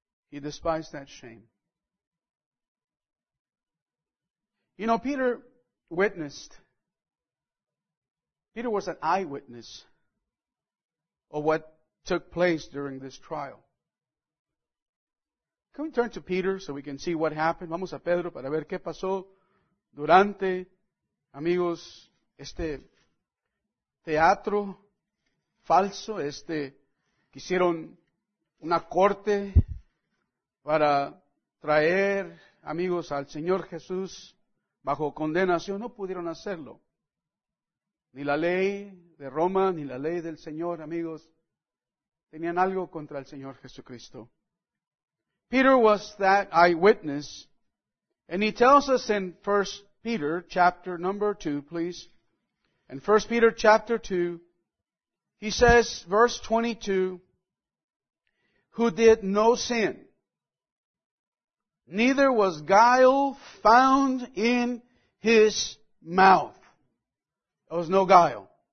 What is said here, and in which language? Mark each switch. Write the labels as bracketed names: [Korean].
[English] He despised that shame. You know, Peter was an eyewitness of what took place during this trial. Can we turn to Peter so we can see what happened? [Spanish] Vamos a Pedro para ver qué pasó durante, amigos, este teatro falso, este que hicieron una corte para traer, amigos, al Señor Jesús bajo condenación. No pudieron hacerlo. Ni la ley de Roma, ni la ley del Señor, amigos, tenían algo contra el Señor Jesucristo. [English] Peter was that eyewitness, and he tells us in 1 Peter chapter number 2, please. In 1 Peter chapter 2, he says, verse 22, who did no sin, neither was guile found in his mouth. There was no guile.